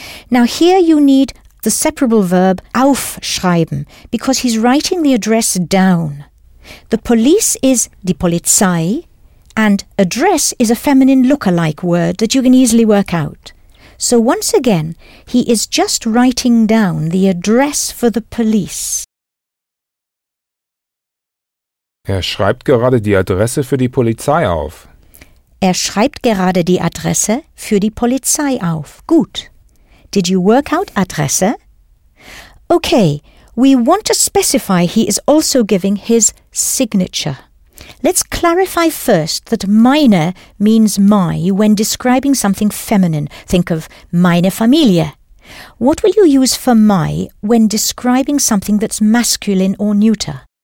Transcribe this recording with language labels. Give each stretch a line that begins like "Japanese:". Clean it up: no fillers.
English: Now here you need the separable verb aufschreiben, because he's writing the address down. The police is die Polizei, and address is a feminine look-alike word that you can easily work out. So once again, he is just writing down the address for the police.
German: Schreibt gerade die Adresse für die Polizei auf. Schreibt gerade die Adresse für die Polizei auf. Gut.
English: Did you work out Adresse? Okay, we want to specify he is also giving his signature. Let's clarify first that meine means my when describing something feminine. Think of meine Familie. What will you use for my when describing something that's masculine or neuter?